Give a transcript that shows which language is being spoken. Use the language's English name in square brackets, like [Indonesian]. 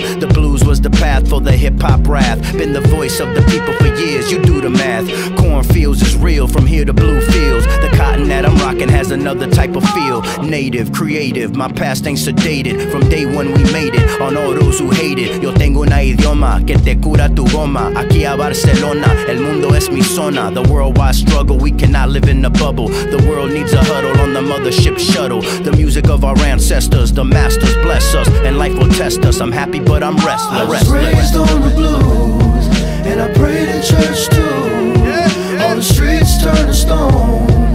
[English] The blues was the path for the hip-hop wrath, been the voice of the people for years, you do the math. Cornfields is real, from here to blue fields, the cotton that I'm rocking has another type of feel. Native, creative, my past ain't sedated, from day one we made it, on all those who hate it. [Spanish] Yo tengo una idioma que te cura tu goma, aquí a Barcelona, el mundo es mi zona. [English] The worldwide struggle, we cannot live in a bubble, the world needs a huddle on the mothership shuttle. The music of our ancestors, the masters bless us, and life will test us. I'm happy but I'm restless. I was raised on the blues, and I prayed in church too. All the streets turned to stone,